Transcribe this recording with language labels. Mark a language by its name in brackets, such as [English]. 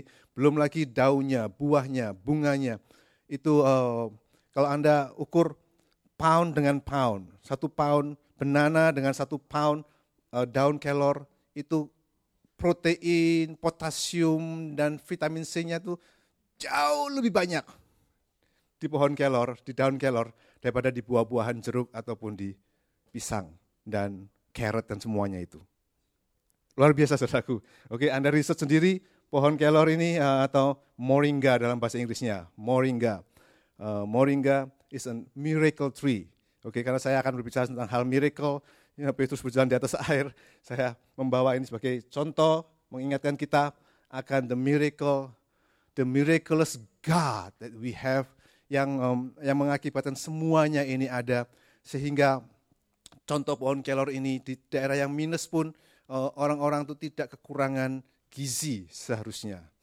[Indonesian] Belum lagi daunnya, buahnya, bunganya, itu kalau Anda ukur pound dengan pound, satu pound banana dengan satu pound daun kelor, itu protein, potasium, dan vitamin C-nya itu jauh lebih banyak di pohon kelor, di daun kelor, daripada di buah-buahan jeruk ataupun di pisang dan carrot dan semuanya itu. Luar biasa, saudaraku. Oke, Anda riset sendiri pohon kelor ini atau moringa dalam bahasa Inggrisnya. Moringa. [English] Moringa is a miracle tree. [Indonesian] Oke, karena saya akan berbicara tentang hal miracle, ya, Petrus berjalan di atas air, saya membawa ini sebagai contoh, mengingatkan kita akan [English] the miracle, the miraculous God that we have, [Indonesian] yang mengakibatkan semuanya ini ada, sehingga contoh pohon kelor ini di daerah yang minus pun, orang-orang itu tidak kekurangan gizi seharusnya.